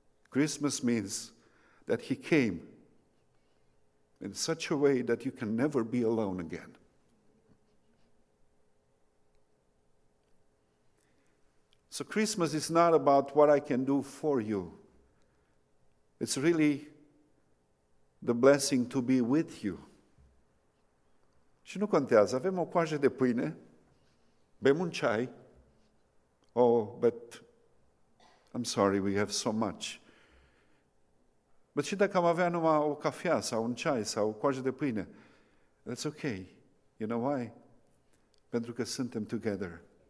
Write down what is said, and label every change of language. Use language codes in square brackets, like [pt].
[en] Christmas means that he came in such a way that you can never be alone again. So Christmas is not about what I can do for you. It's really the blessing to be with you. [ro] Și nu contează, avem o coajă de pâine, bem un ceai. [en] Oh, but I'm sorry, we have so much. [ro] But și dacă am avea numai o cafea sau un ceai sau o coajă de pâine, [en] that's okay. You know why? [ro] Pentru că suntem together.